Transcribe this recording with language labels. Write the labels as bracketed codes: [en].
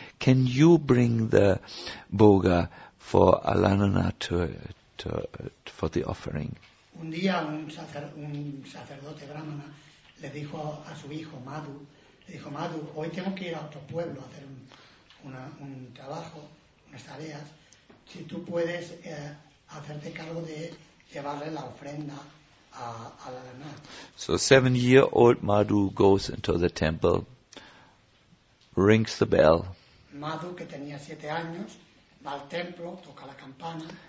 [en] Can you bring the boga for Alananath for the offering?" [es] Un día un sacerdote brahmana le dijo a su hijo Madhu, le dijo: "Madhu, hoy tengo que ir a otro pueblo a hacer un trabajo, unas tareas. Si tú puedes hacerte cargo de llevarle la ofrenda a la Lama." [en] So 7-year-old Madhu goes into the temple, rings the bell. [es] Madhu, que tenía 7 años, va al templo, toca la campana.